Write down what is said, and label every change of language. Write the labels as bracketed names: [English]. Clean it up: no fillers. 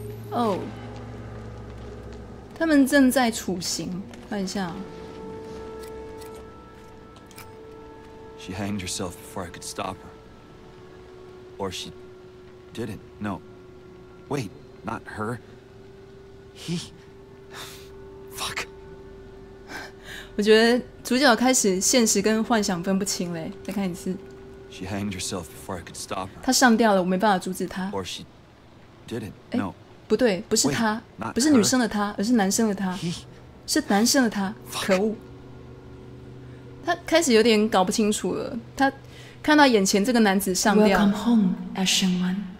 [Chinese] 哦，他们正在处刑，看一下。 [English] She hanged herself before I could stop her. Or she didn't. No. Wait, not her. He. Fuck. [Chinese] 我觉得主角开始现实跟幻想分不清嘞。再看一次。 [English] She hanged herself before I could stop her. [Chinese] 他上吊了，我没办法阻止他。 [English] Or she didn't. No. [Chinese] 不对，不是他，不是女生的他，而是男生的他。 [English] He. [Chinese] 是男生的他。可恶。他开始有点搞不清楚了，他看到眼前这个男子上吊。 [English] Welcome home, Ashen One。